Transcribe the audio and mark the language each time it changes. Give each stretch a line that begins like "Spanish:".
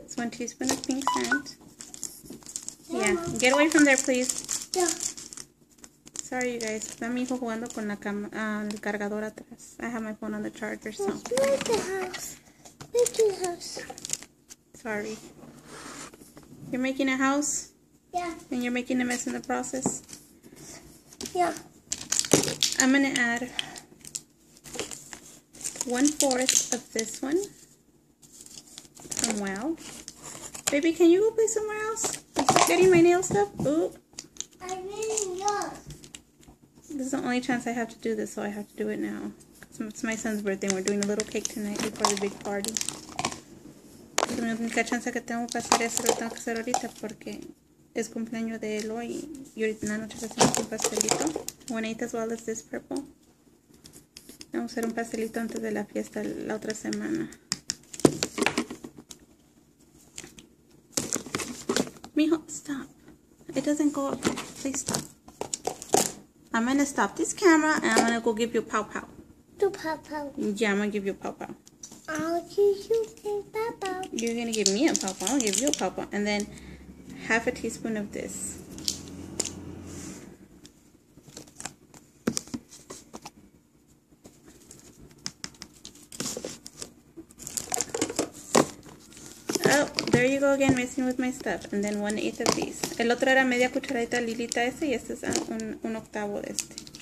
English: It's 1 teaspoon of pink sand. Yeah. Get away from there, please. Yeah. Sorry, you guys.
Spanish: Está mi hijo jugando con la el cargador atrás.
English: I have my phone on the charger, so. It's the house. Making a house. Sorry. You're making a house? Yeah. And you're making a mess in the process? Yeah. I'm going to add 1/4 of this one. Well, baby, can you go play somewhere else? I'm getting my nails up. Oop. I'm getting nails. This is the only chance I have to do this, so I have to do it now. It's my son's birthday. We're doing a little cake tonight before the big party.
Spanish: Es mi única chance que tengo para hacer eso. Lo tengo que hacer ahorita porque es cumpleaños de él hoy. Y ahorita en la noche hacemos un pastelito.
English: One eighth as well as this purple.
Spanish: Vamos a hacer un pastelito antes de la fiesta la otra semana.
English: Mijo, stop. It doesn't go up. Please stop. I'm going to stop this camera and I'm going to go give you a pow-pow. Do pow-pow. Yeah, I'm going to give you a pow-pow. I'll give you a pow-pow. You're going to give me a pow-pow. I'll give you a pow-pow. And then half a teaspoon of this. There you go again, messing with my stuff. And then 1/8 of these.
Spanish: El otro era media cucharadita lilita ese, y este es un octavo de este.